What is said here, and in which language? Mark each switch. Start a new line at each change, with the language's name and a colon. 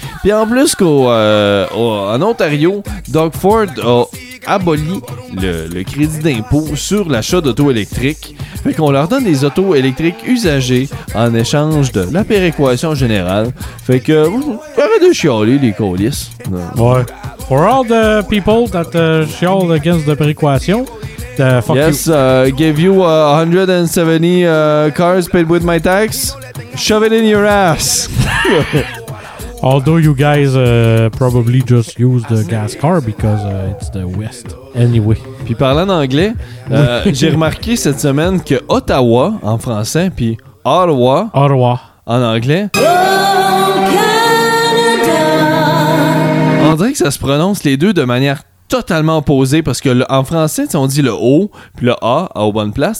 French: Puis en plus qu'en Ontario, Doug Ford a aboli le crédit d'impôt sur l'achat d'autos électriques. Fait qu'on leur donne des autos électriques usagées en échange de la péréquation générale. Fait que, arrête de chialer, les colisses. Ouais.
English: For all the people that chiale against the péréquation, fuck yes, you. Yes, give you 170 cars paid with my tax, shove it in your ass. Although you guys probably just use the gas car because it's the West anyway.
French: Puis parlant d'anglais, j'ai remarqué cette semaine que Ottawa en français, puis Ottawa. Ottawa. En anglais. On dirait que ça se prononce les deux de manière totalement opposée parce que en français, on dit le O puis le A à la bonne place.